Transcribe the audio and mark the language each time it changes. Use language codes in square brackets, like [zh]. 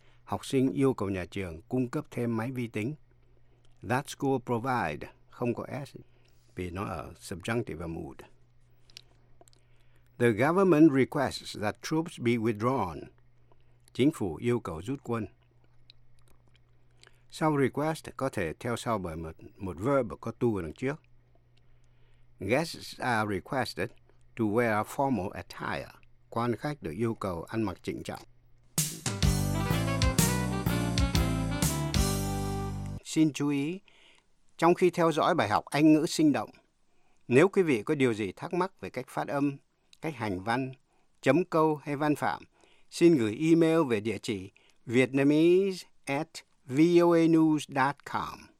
[vi] Học sinh yêu cầu nhà trường cung cấp thêm máy vi tính. [en] That school provide, [vi] không có S, vì nó ở subjunctive mood. [en] The government requests that troops be withdrawn. [vi] Chính phủ yêu cầu rút quân. Sau request có thể theo sau bởi một verb có to ở đằng trước. [en] Guests are requested to wear formal attire. [vi] Quan khách được yêu cầu ăn mặc chỉnh trọng. Xin chú ý, trong khi theo dõi bài học Anh ngữ sinh động, nếu quý vị có điều gì thắc mắc về cách phát âm, cách hành văn, chấm câu hay văn phạm, xin gửi email về địa chỉ vietnamese@voanews.com.